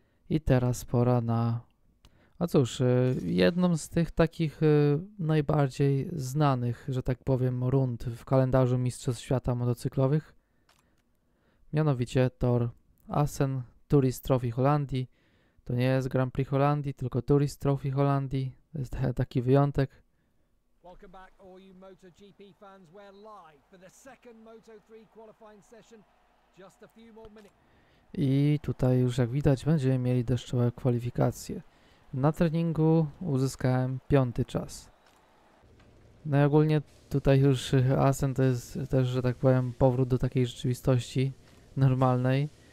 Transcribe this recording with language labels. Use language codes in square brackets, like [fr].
[pl] I teraz pora na... A cóż, jedną z tych takich najbardziej znanych, że tak powiem, rund w kalendarzu Mistrzostw Świata Motocyklowych. Mianowicie tor Assen Tourist Trophy Holandii. To nie jest Grand Prix Holandii, tylko Tourist Trophy Holandii. To jest taki wyjątek. [en] Welcome back, all you MotoGP fans. We're live for the second Moto3 qualifying session. Just a few more minutes. [pl] I tutaj już jak widać będziemy mieli deszczowe kwalifikacje. Na treningu uzyskałem piąty czas. No i ogólnie tutaj już Assen to jest też, że tak powiem, powrót do takiej rzeczywistości normalnej.